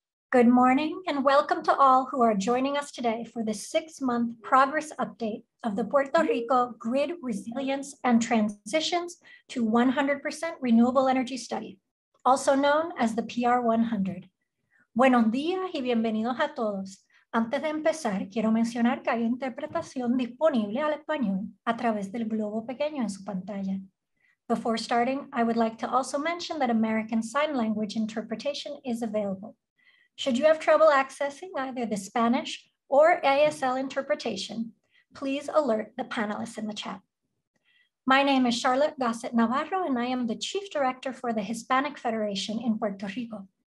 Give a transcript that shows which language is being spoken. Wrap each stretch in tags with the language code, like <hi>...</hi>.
<en>Good morning and welcome to all who are joining us today for the six-month progress update of the Puerto Rico Grid Resilience and Transitions to 100% Renewable Energy Study, also known as the PR100.</en> <es>Buenos días y bienvenidos a todos. Antes de empezar, quiero mencionar que hay interpretación disponible al español a través del globo pequeño en su pantalla.</es> <en>Before starting, I would like to also mention that American Sign Language interpretation is available. Should you have trouble accessing either the Spanish or ASL interpretation, please alert the panelists in the chat. My name is Charlotte Gossett Navarro, and I am the Chief Director for the Hispanic Federation in Puerto Rico.</en>